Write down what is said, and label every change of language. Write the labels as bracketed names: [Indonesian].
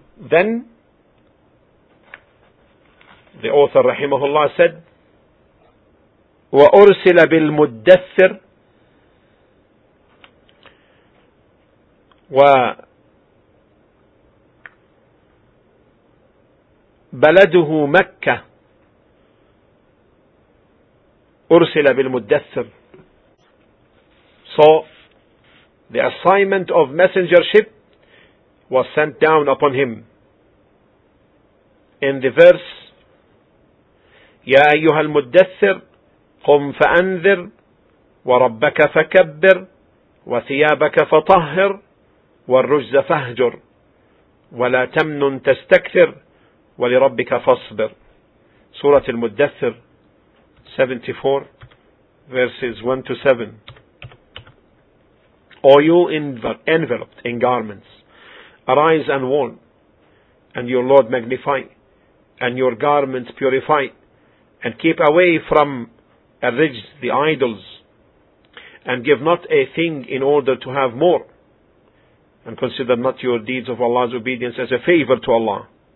[English] Then the author rahimahullah said, [Arabic] وَأُرْسِلَ بِالْمُدَّثِّرِ وَبَلَدُهُ مَكَّةِ. أُرْسِلَ بِالْمُدَّثِّرِ. [English] So the assignment of messengership was sent down upon him. In the verse [Arabic] يا أيها المدثر قم فأنذر وربك فكبر وثيابك فطهر والرجز فهجر ولا تمن تستكثر ولربك فاصبر. سورة المدثر 74 [English] verses 1 to 7. O you enveloped in garments, arise and warn, and your Lord magnify, and your garments purify, and keep away from a ridge the idols, and give not a thing in order to have more, and consider not your deeds of Allah's obedience as a favor to Allah.